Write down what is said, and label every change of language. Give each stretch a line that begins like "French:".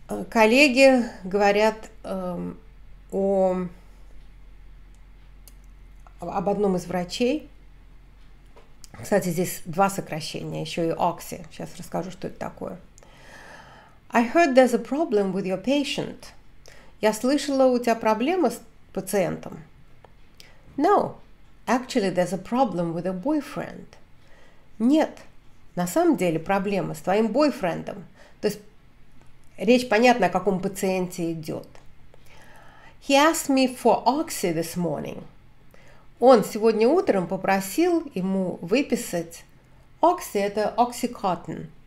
Russian: Коллеги говорят об одном из врачей. Кстати, здесь два сокращения, еще и «Окси». Сейчас расскажу, что это такое.
English: I heard there's a problem with your patient.
Russian: Я слышала, у тебя проблема с пациентом.
English: No, actually there's a problem with a boyfriend.
Russian: Нет, на самом деле проблема с твоим бойфрендом. То есть речь понятна, о каком пациенте идет.
English: He asked me for oxy this morning.
Russian: Он сегодня утром попросил ему выписать oxy, это oxycontin.